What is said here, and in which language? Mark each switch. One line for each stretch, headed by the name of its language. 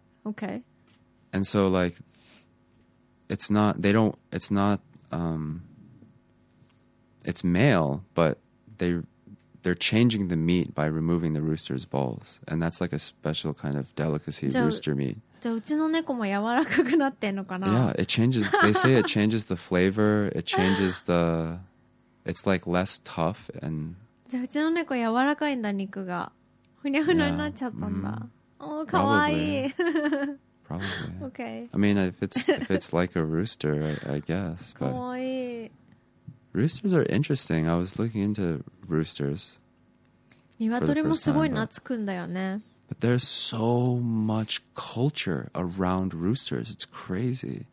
English: Okay. And so like... It's not... They don't... It's not... it's male, but they're changing the meat by removing the rooster's balls. And that's like a special kind of delicacy, rooster meat.
Japanese: じゃあうちの猫も柔らかくなってんのかな?
English: Yeah, it changes... They say it changes the flavor. It changes the... It's like less tough and...
Japanese: じゃあうちの猫柔らかいんだ、肉が。ふにゃふにゃになっちゃったんだ。おー、かわいい。
English: Probably. Okay. I mean, if it's like a rooster, I guess.
Japanese: かわいい。
English: Roosters are interesting. I was looking into roosters.
Japanese: Nivatori もすごい懐くんだよね。
English: But there's so much culture around roosters. It's crazy.